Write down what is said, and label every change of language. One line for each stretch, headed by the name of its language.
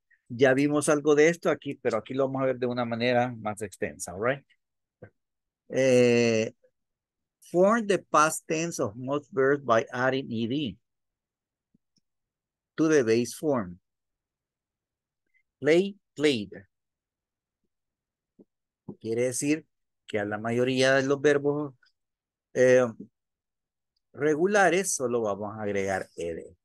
Spanish: Ya vimos algo de esto aquí, pero aquí lo vamos a ver de una manera más extensa,
English: all right? Form the past tense of most verbs by adding ed to the base form. Play, played.
Spanish: Quiere decir que a la mayoría de los verbos regulares solo vamos a agregar ed.